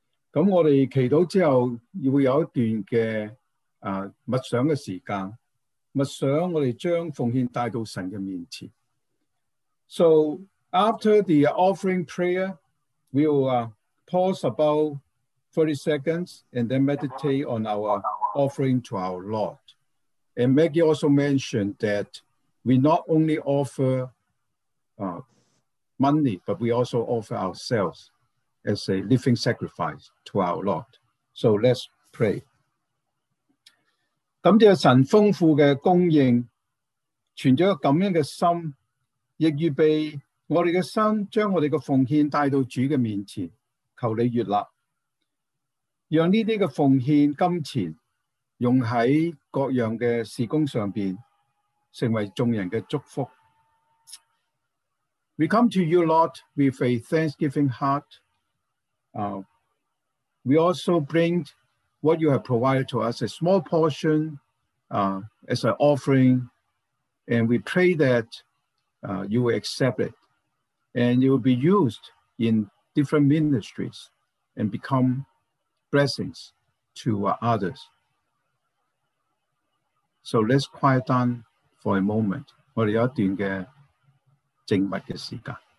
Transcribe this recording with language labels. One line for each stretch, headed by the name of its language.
Cantonese: 咁我哋祈禱之後，會有一段嘅啊默想嘅時間，默想我哋將奉獻帶到神嘅面前。
English: So after the offering prayer, we will pause about 30 seconds and then meditate on our offering to our Lord. And Maggie also mentioned that we not only offer money, but we also offer ourselves as a living sacrifice to our Lord. So let's pray.
Cantonese: 感謝神豐富的供應，存著感恩的心，亦預備我們的心將我們的奉獻帶到主的面前，求你悦纳，让呢啲嘅奉献金钱用喺各样嘅事工上边，成为众人嘅祝福。
English: We come to you, Lord, with a thanksgiving heart. We also bring what you have provided to us—a small portion, as an offering—and we pray that you will accept it, and it will be used in different ministries and become blessings to others. So let's quiet down for a moment.
Cantonese: 我们有一段的静默的时间。